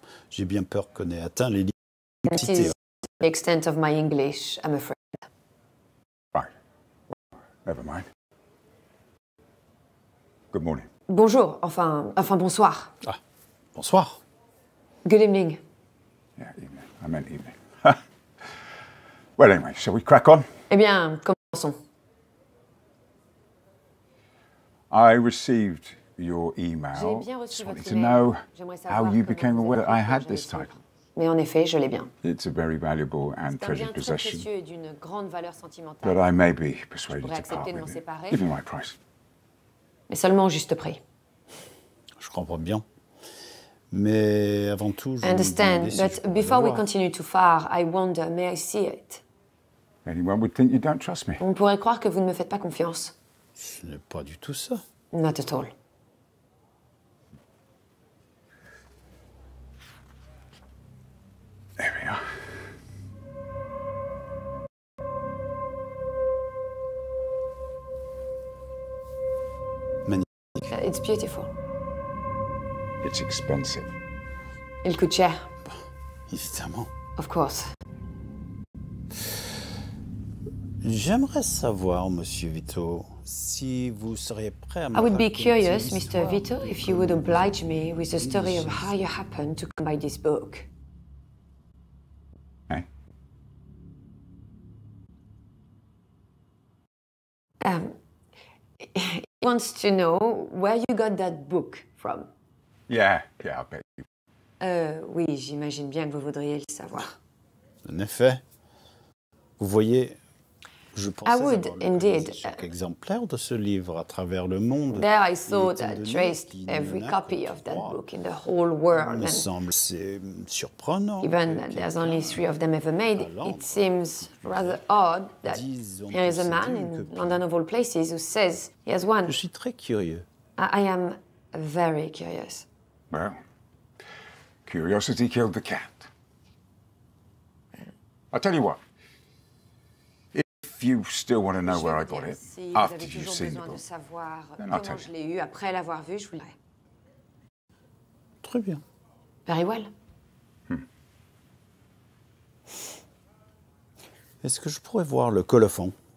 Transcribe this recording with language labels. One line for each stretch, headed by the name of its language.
French: J'ai bien peur qu'on ait atteint les limites.
English: That is the extent of my English, I'm afraid. Right. Never mind. Good morning.
French: Bonjour, enfin bonsoir. Ah, bonsoir.
English: Good evening. Yeah, evening. I meant evening. Well, anyway, shall we crack on?
French: Eh bien, commençons.
English: I received your email.
French: J'ai bien reçu votre email.
English: To know how you became aware that I had this title.
French: Mais en effet, je l'ai bien.
English: It's a very valuable and treasured possession.
French: C'est un bien très précieux et d'une grande valeur sentimentale.
English: But I may be persuaded to part with it. Give me my price.
French: Mais seulement au juste prix. Je comprends bien. Mais avant tout, je
English: understand,
French: si
English: but
French: je
English: before we continue too far, I wonder, may I see it? Anyone would think you don't trust me.
French: On pourrait croire que vous ne me faites pas confiance. Ce n'est pas du tout ça.
English: Not at all. There we are.
French: Magnifique.
English: It's beautiful. It's expensive.
French: Il coûte cher. Évidemment.
English: Of course.
French: J'aimerais savoir, Monsieur Vito, si vous seriez prêt à me
English: I would be curious, Mr. Vito, if you would oblige me with the story of how you happened to come by this book.
French: Hein?
English: He wants to know where you got that book from. Yeah, I bet you.
French: Oui, j'imagine bien que vous voudriez le savoir. En effet. Vous voyez, je pensais
English: I would,
French: avoir
English: indeed.
French: Chaque exemplaire de ce livre à travers le monde.
English: There I thought I traced every copy of that book in the whole world.
French: Il me semble c'est surprenant.
English: Even that there's only three of them ever made, it seems rather odd that there is a man in London of all places who says he has one.
French: Je suis très curieux.
English: I am very curious. Well. Curiosity killed the cat. I tell you what. If you still want to know where I got it, after you've seen the book, then I'll tell you.
French: Je l'ai eu après l'avoir vu, je vous l'ai. Très bien.
English: Very well.
French: Est-ce que je pourrais voir le colophon?